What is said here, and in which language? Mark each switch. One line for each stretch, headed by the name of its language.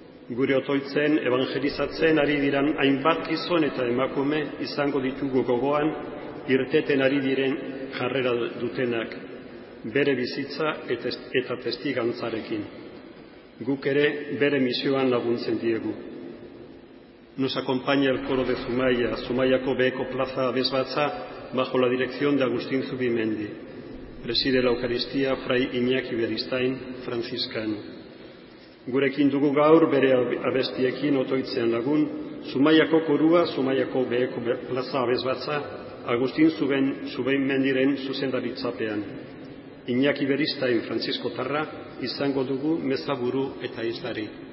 Basque: Gure otoitzen evangelizatzen ari diran hainbat gizon eta emakume izango ditugu gogoan irteten ari diren jarrera dutenak, bere bizitza eta testigantzarekin. Guk ere bere misioan laguntzen diegu.
Spanish: Nos acompaña el coro de Zumaia, Zumaiako beheko plaza abesbatza, bajo la dirección de Agustín Zubimendi. Preside la Eucaristía Fray Iñaki Beristain, franciscano.
Basque: Gurekin dugu gaur bere abestiekin otoitzean lagun, Zumaiako korua, Zumaiako beheko plaza abesbatza, Agustín Zubimendiren zuzendaritzapean. Iñaki Beristain, Francisco Tarra, izango dugu mezaburu eta izlari.